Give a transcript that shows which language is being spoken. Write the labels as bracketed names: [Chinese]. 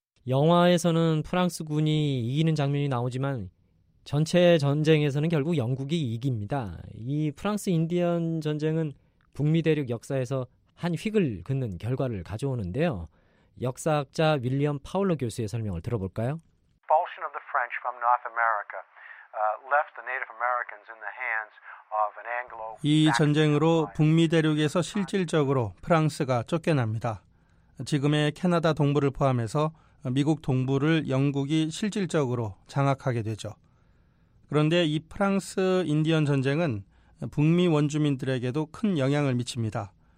[Korean] 영화에서는 프랑스군이 이기는 장면이 나오지만 전체 전쟁에서는 결국 영국이 이깁니다. 이 프랑스 인디언 전쟁은 북미 대륙 역사에서 한 휙을 긋는 결과를 가져오는데요. 역사학자 윌리엄 파울러 교수의 설명을 들어볼까요? [English] Expulsion of the French from North America left the Native Americans in the hands. [Korean] 이 전쟁으로 북미 대륙에서 실질적으로 프랑스가 쫓겨납니다. 지금의 캐나다 동부를 포함해서 미국 동부를 영국이 실질적으로 장악하게 되죠. 그런데 이 프랑스 인디언 전쟁은 북미 원주민들에게도 큰 영향을 미칩니다.